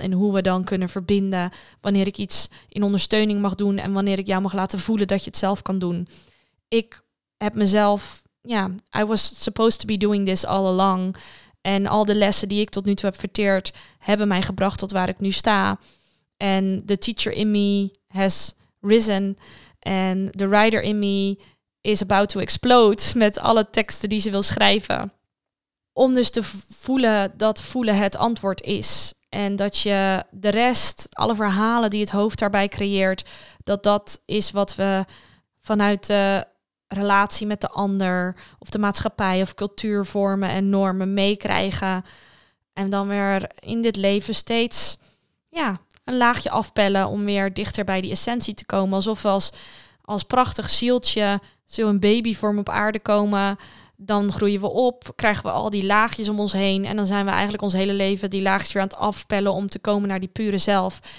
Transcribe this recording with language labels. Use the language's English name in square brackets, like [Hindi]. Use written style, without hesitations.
[Dutch] En hoe we dan kunnen verbinden. Wanneer ik iets in ondersteuning mag doen. En wanneer ik jou mag laten voelen dat je het zelf kan doen. Ik heb mezelf... Ja, [English] yeah, I was supposed to be doing this all along. [Dutch] En al de lessen die ik tot nu toe heb verteerd... hebben mij gebracht tot waar ik nu sta. [English] En the teacher in me has risen. En the writer in me is about to explode... [Dutch] met alle teksten die ze wil schrijven. Om dus te voelen dat voelen het antwoord is. En dat je de rest, alle verhalen die het hoofd daarbij creëert... dat is wat we vanuit de... relatie met de ander of de maatschappij of cultuurvormen en normen meekrijgen en dan weer in dit leven steeds ja een laagje afpellen om weer dichter bij die essentie te komen, alsof we als prachtig zieltje zo een babyvorm op aarde komen, dan groeien we op, krijgen we al die laagjes om ons heen en dan zijn we eigenlijk ons hele leven die laagjes weer aan het afpellen om te komen naar die pure zelf.